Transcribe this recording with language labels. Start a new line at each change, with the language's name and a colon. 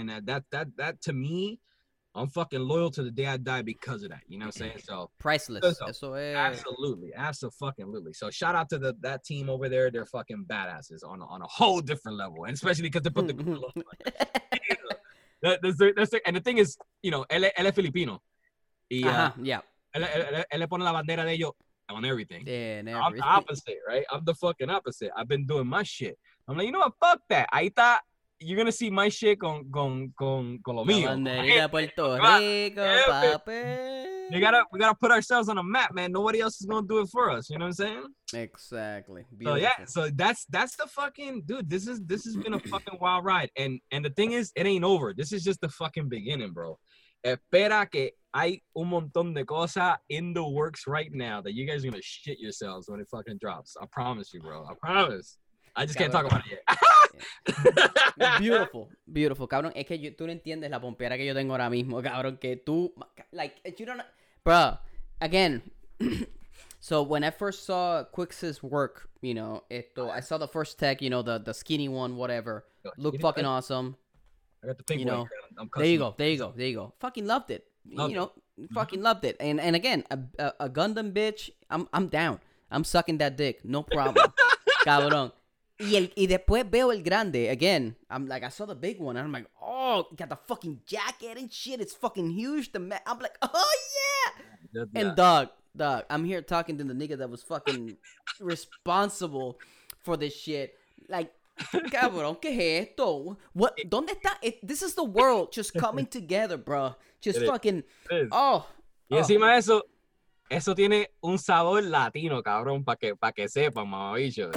English: And that to me, I'm fucking loyal to the day I die because of that. You know what I'm saying? So priceless. Absolutely. Absolutely. So shout out to that team over there. They're fucking badasses on a whole different level. And especially because they put the Google on. And the thing is, you know,
Spanish: él es Filipino. Él pone la bandera de ellos
English: on everything. Yeah, I'm the opposite, right? I'm the fucking opposite. I've been doing my shit. I'm like, you know what? Fuck that.
Spanish: Ahí está.
English: You're gonna see my shit
Spanish: con lo mío.
English: We gotta put ourselves on a map, man. Nobody else is gonna do it for us. You know what I'm saying? Exactly. Beautiful. So yeah, so that's the fucking dude. This has been a fucking wild ride. And the thing is, it ain't over. This is just the fucking beginning, bro.
Spanish: Espera que hay un montón de cosas
English: in the works right now that you guys are gonna shit yourselves when it fucking drops. I promise you, bro. I promise. I just can't talk about it yet. Beautiful, beautiful, cabrón.
Spanish: Es que tú no entiendes la pompera que yo tengo ahora mismo, cabrón. Que tú,
English: like, you don't, bro. Again, so when I first saw Quix's work, you know, esto, I saw the first tech, you know, the skinny one, whatever, looked fucking awesome. I got the pink, you know. I'm there you go. Fucking loved it. Fucking loved it. And again, a Gundam bitch. I'm down. I'm sucking that dick. No problem, cabrón.
Spanish: Y después veo el grande,
English: again, I'm like, I saw the big one, and I'm like, oh, got the fucking jacket and shit, it's fucking huge, the man, I'm like, oh, yeah! And dog, I'm here talking to the nigga that was fucking responsible for this shit, like, cabrón,
Spanish: ¿qué es esto?
English: What,
Spanish: ¿dónde está?
English: This is the world just coming together, bro, just fucking, oh.
Spanish: Y encima de eso... Eso tiene un sabor latino, cabrón, pa que sepa, mamabicho.